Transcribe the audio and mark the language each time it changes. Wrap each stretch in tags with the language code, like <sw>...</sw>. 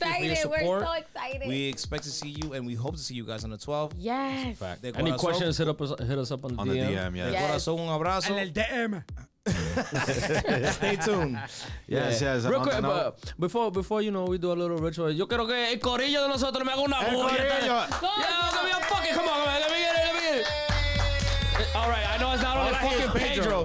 <en>excited. You for your support. We're so excited. We expect to see you and we hope to see you guys on the 12th. Yes. Fact. Any questions, hit us up on the DM. On the DM, yeah.</en> <es>De corazón, un abrazo. En el DM.</es> <en>Stay tuned. Yes. Real quick, but before you know, we do a little ritual.</en> <es>Yo quiero que el corillo de nosotros me haga una bulla.</es> <en>Yeah, give me a fucking. Come on, man. Let me get it. All right, I know it's not on the fucking Pedro.</en>